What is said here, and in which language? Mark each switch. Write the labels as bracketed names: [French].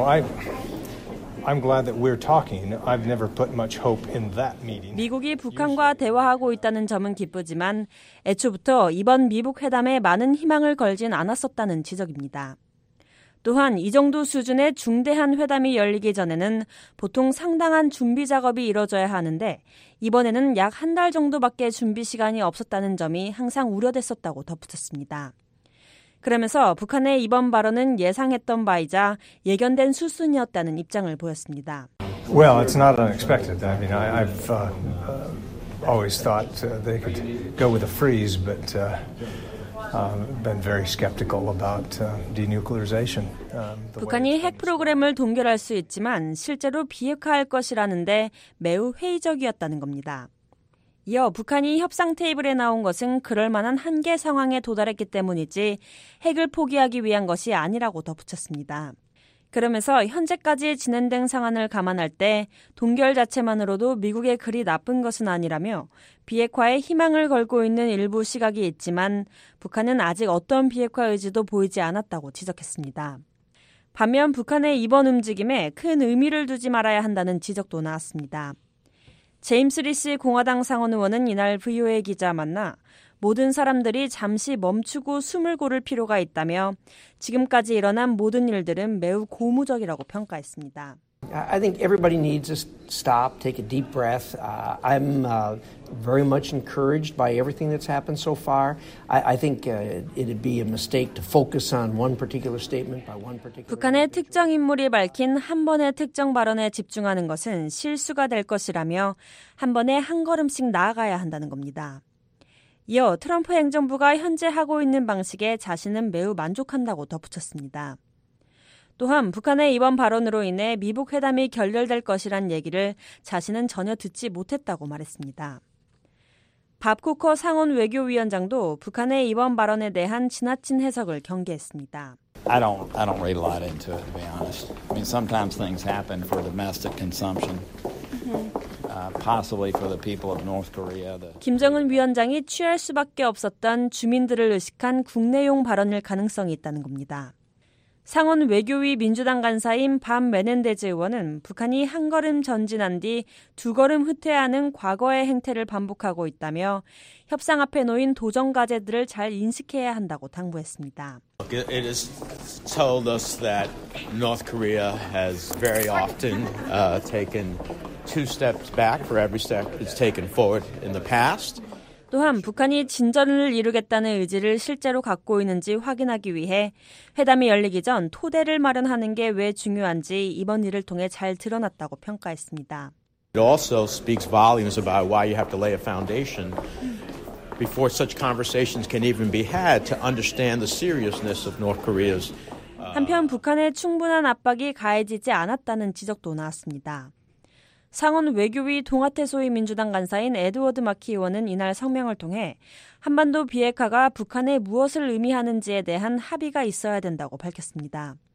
[English] But I'm glad that we're talking. I've never put much hope in that meeting. [Korean] 미국이 북한과 대화하고 있다는 점은 기쁘지만 애초부터 이번 미북 회담에 많은 희망을 걸진 않았었다는 지적입니다. 또한 이 정도 수준의 중대한 회담이 열리기 전에는 보통 상당한 준비 작업이 이뤄져야 하는데 이번에는 약 한 달 정도밖에 준비 시간이 없었다는 점이 항상 우려됐었다고 덧붙였습니다. 그러면서 북한의 이번 발언은 예상했던 바이자 예견된 수순이었다는 입장을 보였습니다. [English] Well, it's not unexpected. I mean, I've always thought they could go with a freeze, but... been very skeptical about denuclearization. [Korean] 북한이 핵 프로그램을 동결할 수 있지만 실제로 비핵화할 것이라는데 매우 회의적이었다는 겁니다. 이어 북한이 협상 테이블에 나온 것은 그럴 만한 한계 상황에 도달했기 때문이지 핵을 포기하기 위한 것이 아니라고 덧붙였습니다. 그러면서 현재까지 진행된 상황을 감안할 때 동결 자체만으로도 미국에 그리 나쁜 것은 아니라며 비핵화에 희망을 걸고 있는 일부 시각이 있지만 북한은 아직 어떤 비핵화 의지도 보이지 않았다고 지적했습니다. 반면 북한의 이번 움직임에 큰 의미를 두지 말아야 한다는 지적도 나왔습니다. 제임스 리시 공화당 상원 의원은 이날 VOA 기자와 만나 모든 사람들이 잠시 멈추고 숨을 고를 필요가 있다며 지금까지 일어난 모든 일들은 매우 고무적이라고 평가했습니다. [English] I think everybody needs to stop, take a deep breath. I'm very much encouraged by everything that's happened so far. I think it'd be a mistake to focus on one particular statement by one particular. [Korean] 북한의 특정 인물이 밝힌 한 번의 특정 발언에 집중하는 것은 실수가 될 것이라며 한 번에 한 걸음씩 나아가야 한다는 겁니다. 이어 트럼프 행정부가 현재 하고 있는 방식에 자신은 매우 만족한다고 덧붙였습니다. 또한 북한의 이번 발언으로 인해 미북 회담이 결렬될 것이란 얘기를 자신은 전혀 듣지 못했다고 말했습니다. 밥 쿠커 상원 외교위원장도 북한의 이번 발언에 대한 지나친 해석을 경계했습니다. [English] I don't read a lot into it, to be honest. I mean, sometimes things happen for domestic consumption. Possibly for the people of North Korea. [Korean] 김정은 위원장이 취할 수밖에 없었던 주민들을 의식한 국내용 발언일 가능성이 있다는 겁니다. 상원 외교위 민주당 간사인 밤 메넨데즈 의원은 북한이 한 걸음 전진한 뒤 두 걸음 후퇴하는 과거의 행태를 반복하고 있다며 협상 앞에 놓인 도전 과제들을 잘 인식해야 한다고 당부했습니다. [English] It is told us that North Korea has very often taken two steps back for every step it's taken forward in the past. [Korean] 또한 북한이 진전을 이루겠다는 의지를 실제로 갖고 있는지 확인하기 위해 회담이 열리기 전 토대를 마련하는 게 왜 중요한지 이번 일을 통해 잘 드러났다고 평가했습니다. [English] It also speaks volumes about why you have to lay a foundation before such conversations can even be had to understand the seriousness of North Korea's. [Korean] 한편 북한의 충분한 압박이 가해지지 않았다는 지적도 나왔습니다. 상원 외교위 동아태 소위 민주당 간사인 에드워드 마키 의원은 이날 성명을 통해 한반도 비핵화가 북한에 무엇을 의미하는지에 대한 합의가 있어야 된다고 밝혔습니다.